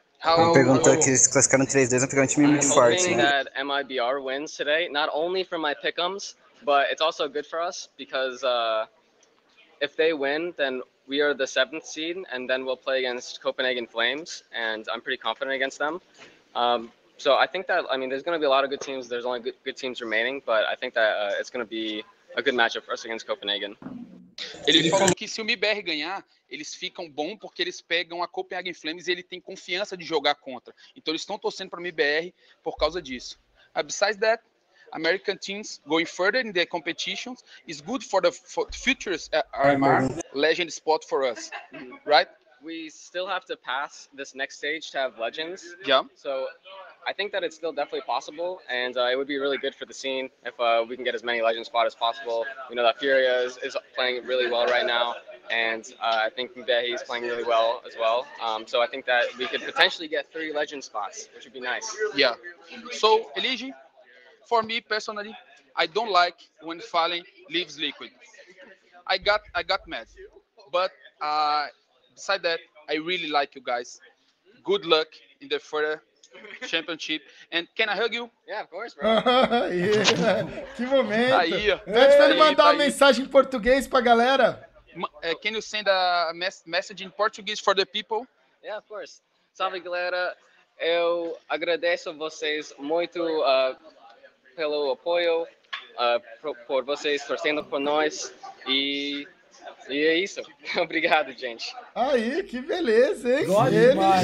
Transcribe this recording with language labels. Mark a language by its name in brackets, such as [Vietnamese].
[Portuguese] Ele perguntou que eles classificaram 3-2, não pegaram um time muito forte, né? [English] I'm hoping that MIBR wins today, not only for my pick'ems, but it's also good for us, because if they win, then we are the 7th seed, and then we'll play against Copenhagen Flames, and I'm pretty confident against them. So I think that, I mean, there's going to be a lot of good teams, there's only good teams remaining, but I think that it's going to be a good matchup for us against Copenhagen. [Portuguese] Ele falou que se o MIBR ganhar, eles ficam bom porque eles pegam a Copenhagen Flames e ele tem confiança de jogar contra. Então eles estão torcendo para o MIBR por causa disso. [English] Besides that, American teams going further in the competitions is good for the futures RMR legend spot for us, right? We still have to pass this next stage to have legends. Yeah. So I think that it's still definitely possible, and it would be really good for the scene if we can get as many legend spot as possible. You know that Furia is playing really well right now, and I think that he's playing really well as well. So I think that we could potentially get 3 legend spots, which would be nice. Yeah. So, Eligi, for me personally, I don't like when Fallen leaves Liquid. I got mad, but beside that, I really like you guys. Good luck in the further championship. And can I hug you? Yeah, of course, bro. Yeah. [Portuguese] Que momento. Aí, ó. Antes de mandar uma mensagem em português pra galera. [English] Can you send a message in Portuguese for the people? Yeah, of course. [Portuguese] Salve, galera. Eu agradeço vocês muito pelo apoio, por vocês torcendo por nós. E é isso. Obrigado, gente. Aí, que beleza, hein? Glória